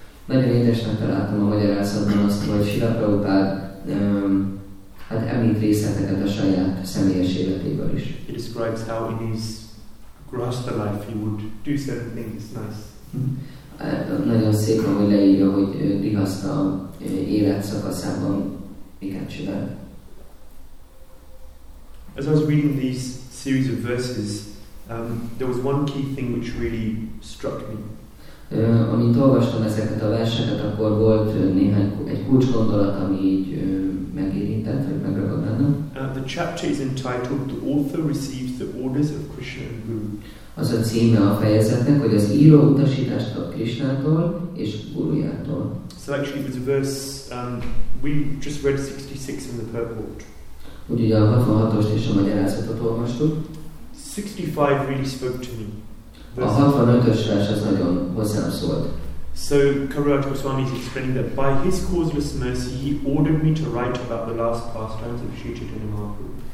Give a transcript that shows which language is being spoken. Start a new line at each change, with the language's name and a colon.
Hungarian: Nagyon édesnek találtam a magyarázatban azt, hogy Srila Prabhupada hát említ részleteket a saját személyes életéből is.
English: He describes how in his grasta life he would do certain things nice.
Hungarian: Nagyon szép, ahogy leírja, hogy grihasta életszakaszában miket csinál.
English: As I was reading these series of verses, there was one key thing which really struck me.
Hungarian: Amint olvastam ezeket a verseket, akkor volt néhány egy kulcsgondolat, ami így megérintett, vagy megragadt bennem.
English: The chapter is entitled "The Author Receives the Orders of Krishna and Guru."
Hungarian: Az a címe a fejezetnek, hogy az író utasítást kap Krisnától és Gurujától.
English: So actually, it's a verse we just read 66 in the purport.
Hungarian: Úgyhogy a 66-ost és a magyarázatot olvastuk.
English: 65 really spoke to me.
Hungarian: A 65-ös vers az nagyon hozzám szólt.
English: So Kaviraj Goswami is explaining that by his causeless mercy he ordered me to write about the last pastimes of Sri Chaitanya Mahaprabhu.